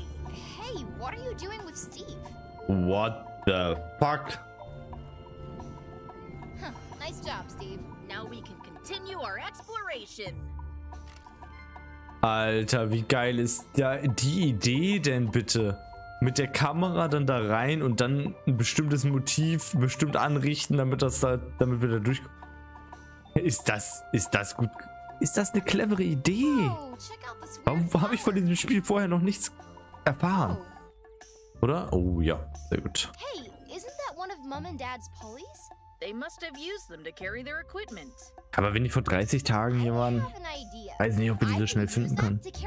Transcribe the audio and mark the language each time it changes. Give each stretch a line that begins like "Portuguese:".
English: Hey, what are you doing with Steve? What the fuck? Huh, nice job, Steve. Now we can continue our exploration.
German: Alter, wie geil ist da die Idee denn bitte? Mit der Kamera dann da rein und dann ein bestimmtes Motiv bestimmt anrichten, damit wir da durchkommen. Ist das gut? Ist das eine clevere Idee? Warum habe ich von diesem Spiel vorher noch nichts erfahren? Oder? Oh ja, sehr gut.
English: Hey, isn't that one of Mom and Dad's pulleys? They must have used them to carry their equipment.
German: Aber wenn die vor 30 Tagen hier waren, weiß nicht, ob wir die so schnell finden können.